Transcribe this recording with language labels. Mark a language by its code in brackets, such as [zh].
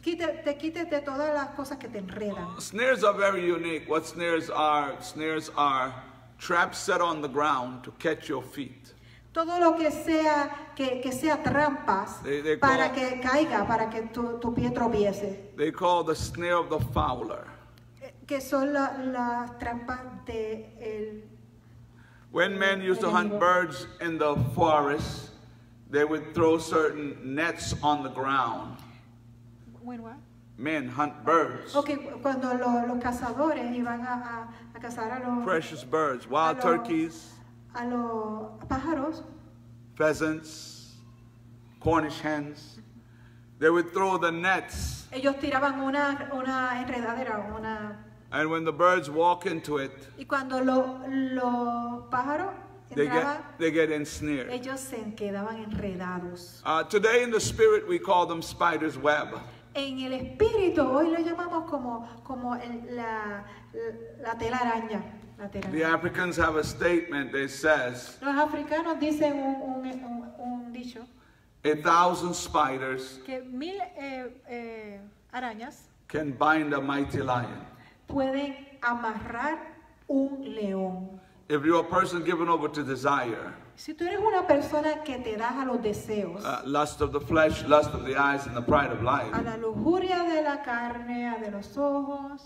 [es] Te quites de todas las cosas que te enredan. [en] Snares are very unique. What snares are? Snares are traps set on the ground to catch your feet. [es] Todo lo que sea que sea trampas para que caiga, para que tu pie tropiece. [en] They call the snare of the fowler. [es] Que son las trampas de el. [en] When men used to hunt birds in the forest, they would throw certain nets on the ground. Men hunt birds. [es] Okay, cuando los cazadores iban a cazar a los [en] precious birds, wild turkeys, [es] a los pájaros, [en] pheasants, Cornish hens, they would throw the nets. [es] Ellos tiraban una enredadera, una. [en] And when the birds walk into it, [es] y cuando los pájaros entraban, [en] they get ensnared. [es] Ellos se quedaban enredados. [en] Today in the spirit we call them spider's web. [es] En el espíritu hoy lo llamamos como la telaraña. [en] The Africans have a statement that says. [es] Los africanos dicen un dicho. [en] 1,000 spiders. [es] Que 1,000 arañas. [en] Can bind a mighty lion. [es] Pueden amarrar un león. [en] If you're a person given over to desire. [es] Si tú eres una persona que te das a los deseos. [en] Lust of the flesh, lust of the eyes, and the pride of life. [es] A la lujuria de la carne, a de los ojos.